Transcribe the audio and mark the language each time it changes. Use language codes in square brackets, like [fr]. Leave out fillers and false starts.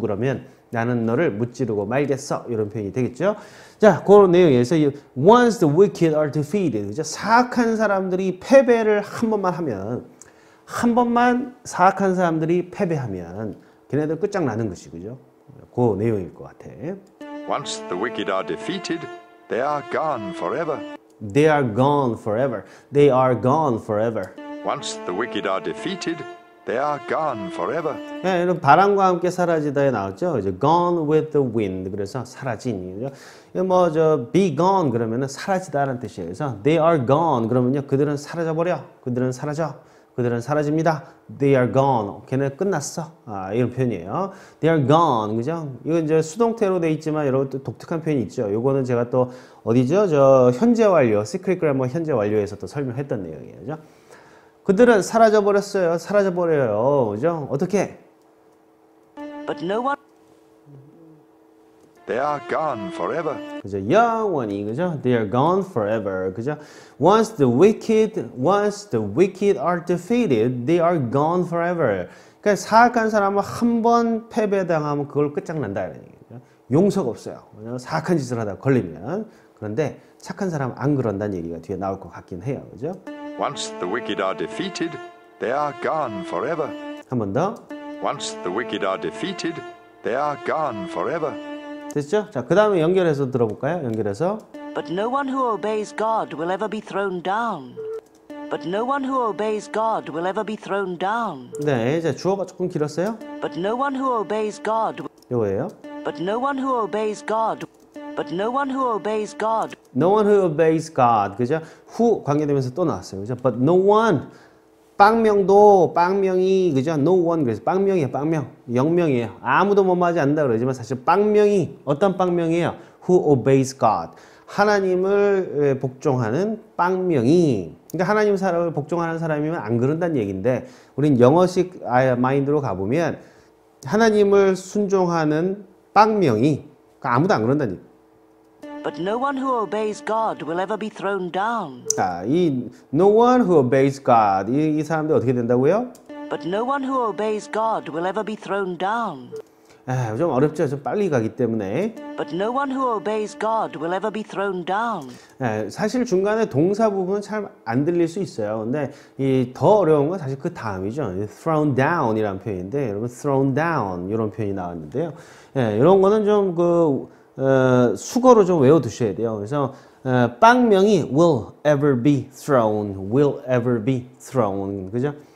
[ko] 그러면 나는 너를 무찌르고 말겠어, 이런 표현이 되겠죠. 자, 그런 내용에서 [en] once the wicked are defeated, [ko] 그죠? 사악한 사람들이 패배를 한 번만 하면, 한 번만 사악한 사람들이 패배하면 걔네들 끝장나는 것이, 그죠? 그 내용일 것 같아. [en] Once the wicked are defeated, they are gone forever. They are gone forever. They are gone forever. Once the wicked are defeated, They are gone forever. [ko] 네, 이런 바람과 함께 사라지다에 나왔죠. 이제 [en] gone with the wind. [ko] 그래서 사라진. 뭐저 be gone 그러면은 사라지다라는 뜻이에요. 그래서 they are gone 그러면요, 그들은 사라져 버려. 그들은 사라져. 그들은 사라집니다. [en] They are gone. [ko] 걔네 끝났어. 아, 이런 표현이에요. [en] They are gone. [ko] 그죠? 이건 이제 수동태로 돼 있지만 여러분 또 독특한 표현이 있죠. 요거는 제가 또 어디죠? 저 현재 완료, secret grammar 현재 완료에서 또 설명했던 내용이에요. 그죠? 그들은 사라져버렸어요. 사라져버려요. 그죠? 어떻게? [en] but no one. They are gone forever. [ko] 그죠? 영원히 그죠? [en] They are gone forever. [ko] 그죠? [en] Once the wicked are defeated, they are gone forever. [ko] 그러니까 사악한 사람은 한 번 패배당하면 그걸 끝장난다 이런 얘기죠. 용서가 없어요. 왜냐면 사악한 짓을 하다 걸리면. 그런데 착한 사람은 안 그런다는 얘기가 뒤에 나올 것 같긴 해요. 그죠? [en] Once the wicked are defeated, they are gone forever. [ko] 한 번 더. [en] Once the wicked are defeated, they are gone forever. [ko] 됐죠? 자, 그 다음에 연결해서 들어볼까요? 연결해서. [en] But no one who obeys God will ever be thrown down. But no one who obeys God will ever be thrown down. [ko] 네, 이제 주어가 조금 길었어요. [en] But no one who obeys God. [ko] 요거예요. [en] But no one who obeys God. But no one who obeys God. No one who obeys God. [ko] 그죠? [en] Who 관계되면서 또 나왔어요. 그죠? But no one. [ko] 빵명도 빵명이 그죠? No one 그래서 빵명이에요. 빵명 영명이에요. 아무도 범하지 않는다 그러지만 사실 빵명이 어떤 빵명이에요? [en] Who obeys God? [ko] 하나님을 복종하는 빵명이. 그러니까 하나님 사람을 복종하는 사람이면 안 그런다는 얘기인데 우린 영어식 마인드로 가보면 하나님을 순종하는 빵명이 그러니까 아무도 안 그런다는 얘기. [en] But no one who obeys God will ever be thrown down. [ko] 아, 이 [en] no one who obeys God [ko] 이 사람들 어떻게 된다고요? [en] But no one who obeys God will ever be thrown down. [ko] 아, 좀 어렵죠. 좀 빨리 가기 때문에. [en] But no one who obeys God will ever be thrown down. [ko] 아, 사실 중간에 동사 부분은 잘 안 들릴 수 있어요. 근데 이 더 어려운 건 사실 그 다음이죠. thrown down이라는 표현인데 여러분 thrown down 이런 표현이 나왔는데요. 예, 이런 거는 좀 그 수거로 좀 외워두셔야 돼요. 그래서 빵명이 [en] will ever be thrown, will ever be thrown, [ko] 그죠?